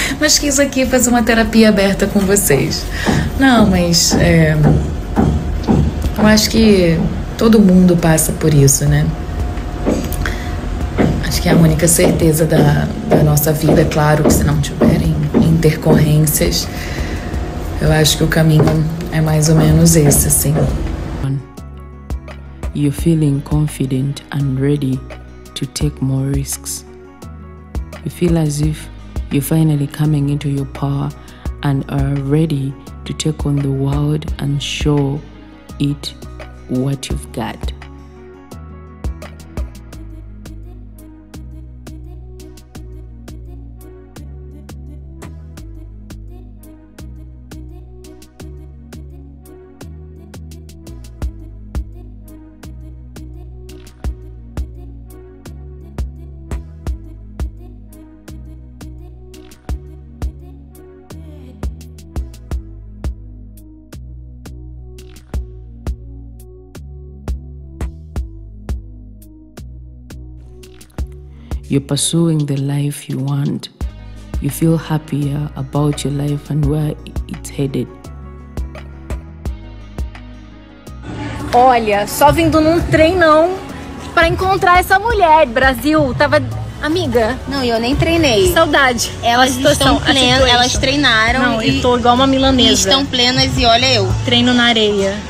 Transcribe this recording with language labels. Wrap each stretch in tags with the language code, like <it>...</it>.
<pt>Mas quis aqui fazer uma terapia aberta com vocês. Não, mas eu acho que todo mundo passa por isso, né? Acho que é a única certeza da nossa vida, claro, que se não tiverem intercorrências, eu acho que o caminho é mais ou menos esse, assim.</pt> <en>You're feeling confident and ready to take more risks. You feel as if you're finally coming into your power and are ready to take on the world and show it what you've got. You're pursuing the life you want. You feel happier about your life and where it's headed.</en> <pt>Olha, só vindo num trem não pra encontrar essa mulher, Brasil. Tava... Amiga. Não, eu nem treinei. Saudade. Elas estão plenas, elas treinaram. Não, eu tô igual uma milanesa. Estão plenas e olha eu. Treino na areia.</pt>